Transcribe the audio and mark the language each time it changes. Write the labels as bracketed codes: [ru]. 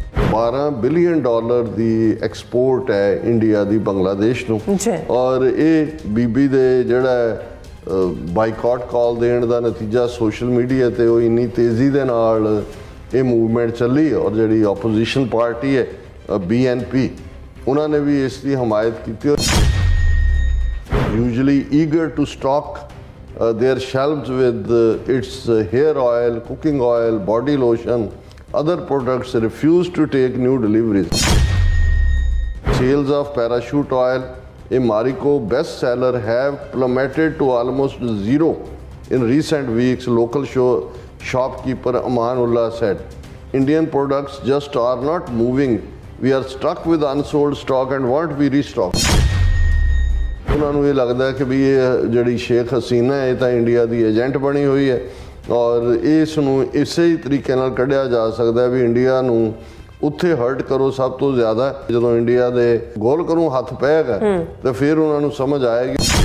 [pa] $12 billion ਦੀ export ਹੈ India ਦੀ ਬੰਗਲਾਦੇਸ਼ ਨੂੰ ਔਰ ਇਹ ਬੀਬੀ ਦੇ ਜਿਹੜਾ ਬਾਈਕਾਟ ਕਾਲ ਦੇਣ ਦਾ ਨਤੀਜਾ ਸੋਸ਼ਲ ਮੀਡੀਆ 'ਤੇ ਉਹ ਇੰਨੀ ਤੇਜ਼ੀ ਦੇ ਨਾਲ ਇਹ ਮੂਵਮੈਂਟ ਚੱਲੀ ਔਰ ਜਿਹੜੀ ਆਪੋਜੀਸ਼ਨ ਪਾਰਟੀ ਹੈ BNP ਉਹਨਾਂ ਨੇ ਵੀ ਇਸ ਦੀ ਹਮਾਇਤ ਕੀਤੀ। [en] Usually eager to stock their shelves with its hair oil, cooking oil, body lotion, other products refused to take new deliveries. Sales of parachute oil, a Marico best seller, have plummeted to almost zero in recent weeks, local shopkeeper Amanullah said. Indian products just are not moving. We are stuck with unsold stock and won't be restocked. [pa] ਉਹਨਾਂ ਨੂੰ ਇਹ ਲੱਗਦਾ ਕਿ ਵੀ ਇਹ ਜਿਹੜੀ ਸ਼ੇਖ ਹਸੀਨਾ ਇਹ ਤਾਂ India ਦੀ agent ਬਣੀ ਹੋਈ ਹੈ ਔਰ ਇਸ ਨੂੰ ਇਸੇ ਹੀ ਤਰੀਕੇ ਨਾਲ ਕੱਢਿਆ ਜਾ ਸਕਦਾ ਵੀ ਇੰਡੀਆ ਨੂੰ ਉੱਥੇ ਹਰਟ ਕਰੋ ਸਭ ਤੋਂ ਜ਼ਿਆਦਾ ਜਦੋਂ ਇੰਡੀਆ ਦੇ ਗੋਲਕਰੋਂ ਹੱਥ ਪਏਗਾ ਤਾਂ ਫਿਰ ਉਹਨਾਂ ਨੂੰ ਸਮਝ ਆਏਗੀ।